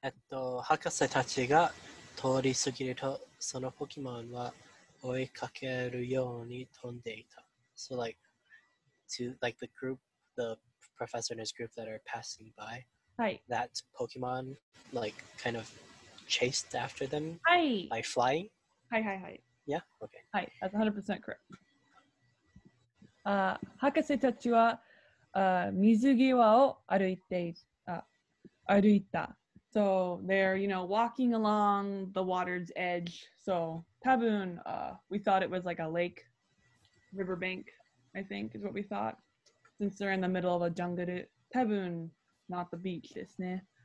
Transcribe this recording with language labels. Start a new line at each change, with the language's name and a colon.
Japanese: 博士たちが通り過ぎるとそのポケモンは追いかけるように飛んでいた。
English: So like, to like the group, the professor and his group that are passing by, right? That Pokemon like kind of chased after them, right? By flying. Hi, hi, hi. Yeah. Okay. Hi, that's 100% correct.
Japanese: 博士たちは水際を歩いた。
English: So they're, you know, walking along the water's edge. So, Tabun, we thought it was like a lake, riverbank, I think is what we thought. Since they're in the middle of a jungle, Tabun, not the beach, isn't it?